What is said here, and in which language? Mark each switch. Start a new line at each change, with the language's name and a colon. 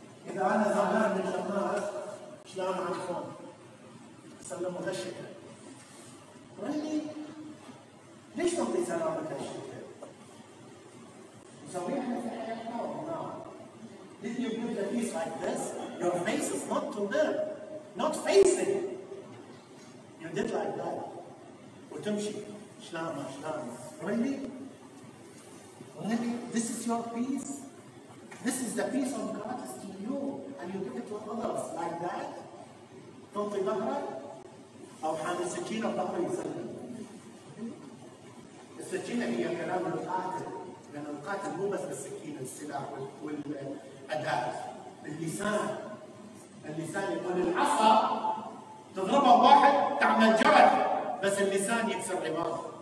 Arabic: اذا انا زعلان من الشمامس شلون اعرفهم؟ سلموا هالشكل. ولي ليش تعطي سلام بهالشكل؟ مسويها احنا في حياتنا ولا لا؟
English: Did you put the face like this? Your face is not to them, not facing. You did like that.
Arabic: وتمشي شلامة شلامة.
English: Really? Really? This is your peace? This is the peace of God is to you and you give it to others like that?
Arabic: تنطي ظهرك أو حامل السكينة وظهره يسلم. السكينة هي كلام القاتل، لأن القاتل مو بس بالسكينة، السلاح والأداة، باللسان. اللسان يقول العصا تضربها واحد تعمل جرح، بس اللسان يكسر عظام.